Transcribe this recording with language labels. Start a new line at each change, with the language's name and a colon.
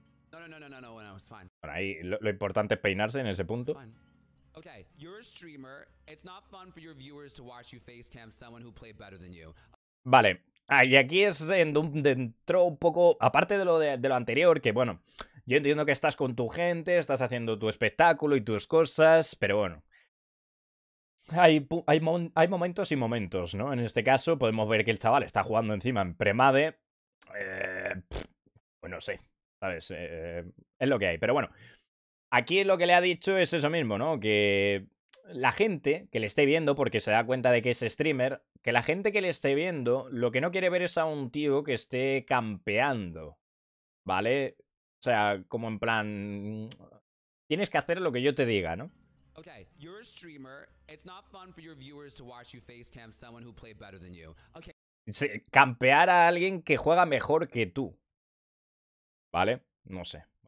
Spanish: Bueno, ahí lo importante es peinarse en ese punto.
English: Okay, you're a streamer. It's not fun for your viewers to watch you facecam someone who played better than you.
Spanish: Vale, y aquí es en donde entró un poco, aparte de lo anterior, que bueno, yo entiendo que estás con tu gente, estás haciendo tu espectáculo y tus cosas, pero bueno. Hay momentos y momentos, ¿no? En este caso podemos ver que el chaval está jugando encima en premade. Pues no sé, ¿sabes? Es lo que hay, pero bueno. Aquí lo que le ha dicho es eso mismo, ¿no? Que la gente que le esté viendo, porque se da cuenta de que es streamer, que la gente que le esté viendo lo que no quiere ver es a un tío que esté campeando, ¿vale? O sea, como en plan, tienes que hacer lo que yo te diga, ¿no?
English: Okay, you're a streamer. It's not fun for your viewers to watch you facecam someone who played better than you. Okay.
Spanish: Sí, campear a alguien que juega mejor que tú, ¿vale? No sé.